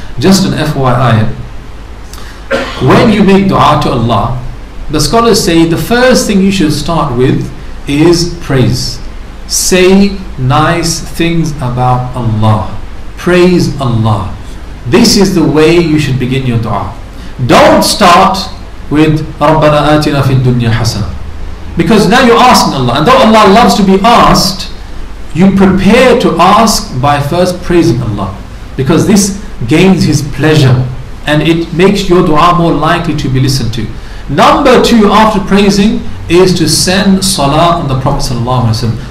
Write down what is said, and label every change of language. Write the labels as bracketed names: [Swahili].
[English] Just an FYI. When you make dua to Allah, the scholars say the first thing you should start with is praise. Say nice things about Allah. Praise Allah. This is the way you should begin your dua. Don't start with [Arabic] رَبَّنَا آتِنَا فِي الدُّنْيَا حَسَنًا. [English] Because now you're asking Allah. And though Allah loves to be asked, you prepare to ask by first praising Allah. Because this gains His pleasure. And it makes your dua more likely to be listened to. Number two after praising is to send salah on the Prophet sallallahu alaihi wasallam.